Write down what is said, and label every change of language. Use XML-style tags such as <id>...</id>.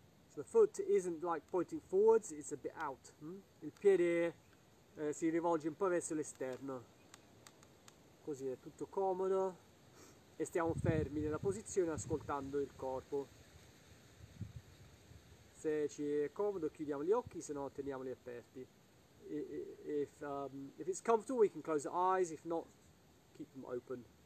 <en>So the foot isn't like pointing forwards, it's a bit out.</en> <it>Il piede si rivolge un po' verso l'esterno. Così è tutto comodo e stiamo fermi nella posizione ascoltando il corpo. Se ci è comodo chiudiamo gli occhi, se no teniamoli aperti.</it> <en>If it's comfortable we can close the eyes, if not keep them open.</en>